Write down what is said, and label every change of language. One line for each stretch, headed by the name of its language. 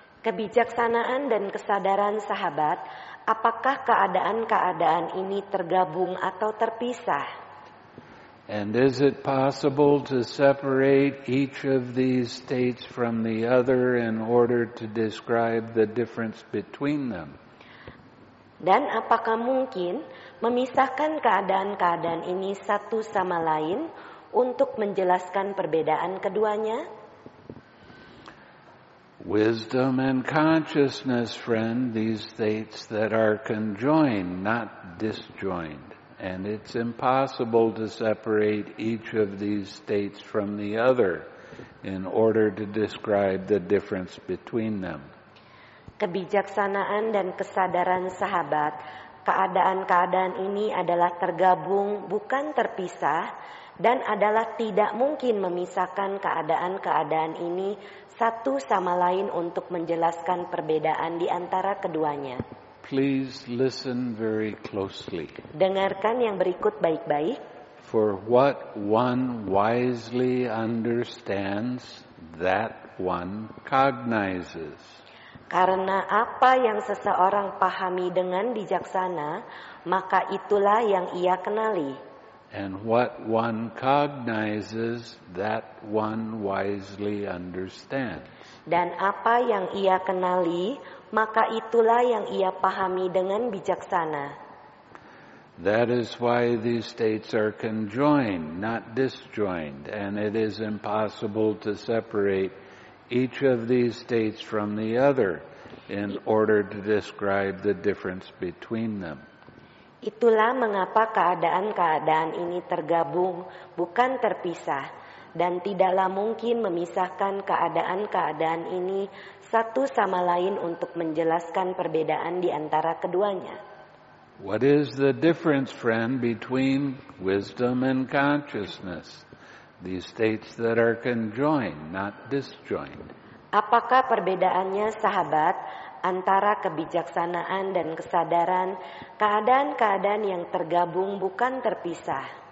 Indonesian: Kebijaksanaan dan kesadaran sahabat, apakah keadaan-keadaan ini tergabung atau terpisah?
English: And is it possible to separate each of these states from the other in order to describe the difference between them?
Indonesian: Dan apakah mungkin memisahkan keadaan-keadaan ini satu sama lain untuk menjelaskan perbedaan keduanya?
English: Wisdom and consciousness, friend, these states that are conjoined, not disjoined. And it's impossible to separate each of these states from the other in order to describe the difference between them.
Indonesian: Kebijaksanaan dan kesadaran sahabat, keadaan-keadaan ini adalah tergabung, bukan terpisah, dan adalah tidak mungkin memisahkan keadaan-keadaan ini satu sama lain untuk menjelaskan perbedaan di antara keduanya.
English: Please listen very closely.
Indonesian: Dengarkan yang berikut baik-baik.
English: For what one wisely understands, that one cognizes.
Indonesian: Karena apa yang seseorang pahami dengan bijaksana, maka itulah yang ia kenali.
English: And what one cognizes, that one wisely understands.
Indonesian: Dan apa yang ia kenali, maka itulah yang ia pahami dengan bijaksana.
English: That is why these states are conjoined, not disjoined, and it is impossible to separate each of these states from the other in order to describe the difference between them.
Indonesian: Itulah mengapa keadaan-keadaan ini tergabung, bukan terpisah, dan tidaklah mungkin memisahkan keadaan-keadaan ini satu sama lain untuk menjelaskan perbedaan di antara keduanya.
English: What is the difference, friend, between wisdom and consciousness? These states that are conjoined, not disjoined.
Indonesian: Apakah perbedaannya, sahabat, antara kebijaksanaan dan kesadaran, keadaan-keadaan yang tergabung bukan terpisah?